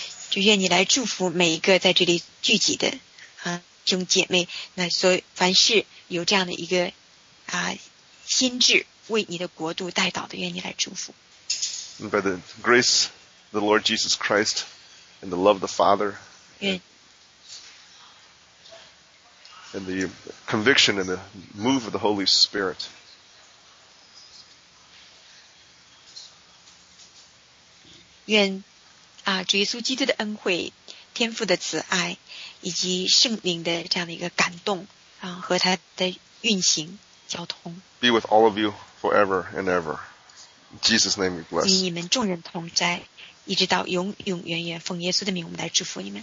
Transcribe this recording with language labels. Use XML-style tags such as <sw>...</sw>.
<zh>就愿你来祝福每一个在这里聚集的兄姐妹，那所以凡事有这样的一个心智为你的国度带祷的，愿你来祝福。</zh> <en>And by the grace of the Lord Jesus Christ and the love of the Father.</en> <zh>愿。</zh> <en>And the conviction and the move of the Holy Spirit.</en> <zh>愿主耶稣基督的恩惠、天父的慈爱以及圣灵的这样的一个感动和他的运行交通。</zh> <en>Be with all of you forever and ever. In Jesus' name we bless.</en> <zh>与你们众人同在，一直到永永远远。奉耶稣的名，我们来祝福你们。</zh>